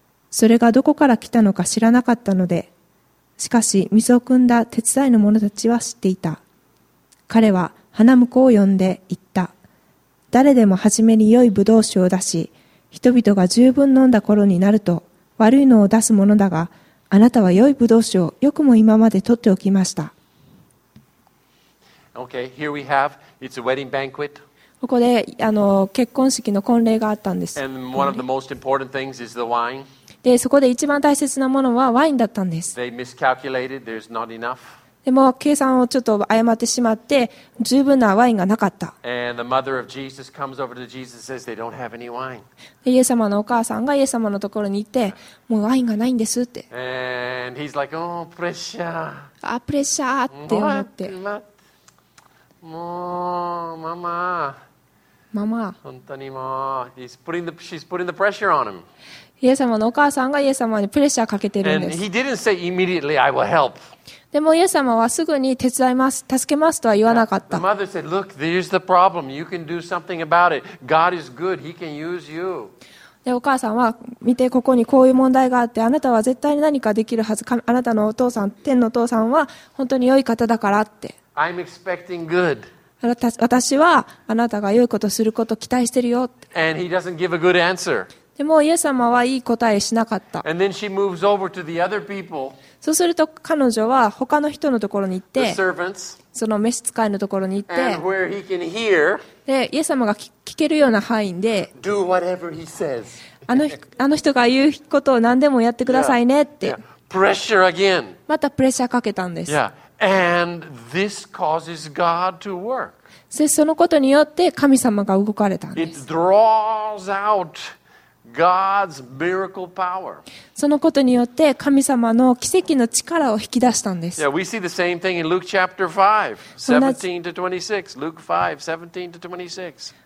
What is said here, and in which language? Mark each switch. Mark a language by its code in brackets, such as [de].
[ja] それがどこから来たのか知らなかったので、しかし水を汲んだ手伝いの者たちは知っていた。彼は花婿を呼んで言った。誰でも初めに良い葡萄酒を出し、人々が十分飲んだ頃になると悪いのを出すものだが、あなたは良い葡萄酒をよくも今まで取っておきました。 [en] Okay, here we have, it's a wedding banquet. [ja] ここで結婚式の婚礼があったんです。 [en] And one of the most important things is the wine. [ja] で、そこで一番大切なものはワインだったんです。 [en] They miscalculated. There's not enough. [ja] でも計算をちょっと誤ってしまって、十分なワインがなかった。 [en] And the mother of Jesus comes over to Jesus and says they don't have any wine. [ja] で、イエス様のお母さんがイエス様のところに行って、もうワインがないんですって。 [en] And he's like, oh, pressure. [ja] あ、プレッシャーって思って。もうママ、ママ、本当にもう、 [en] she's putting the pressure on him。 [ja] イエス様のお母さんがイエス様にプレッシャーかけてるんです。 [en] And he didn't say immediately, "I will help." [ja] でもイエス様はすぐに手伝います、助けますとは言わなかった。 [en] The mother said, "Look, there's the problem. You can do something about it. God is good. He can use you." [ja] でお母さんは見てここにこういう問題があってあなたは絶対に何かできるはず。あなたのお父さん、天のお父さんは本当に良い方だからって。 [en] I'm expecting good. [ja] 私はあなたが良いことすることを期待してるよ。 [en] And he doesn't give a good answer. [ja] でもイエス様はいい答えしなかった。 [en] And then she moves over to the other people. [ja] そうすると彼女は他の人のところに行って、 [en] the servants, [ja] その召使いのところに行って、 [en] and where he can hear, [ja] でイエス様が聞けるような範囲で、 [en] do whatever he says. [ja] あの人が言うことを何でもやってくださいねって。 [en] Yeah, yeah. pressure again. [ja] またプレッシャーかけたんです。 [en] Yeah. And this causes God to work. そのことによって神様が動かれたんです。 It draws out God's miracle power. そのことによって神様の奇跡の力を引き出したんです。 Yeah, we see the same thing in Luke chapter 5, 17 to 26. Luke 5, 17 to 26.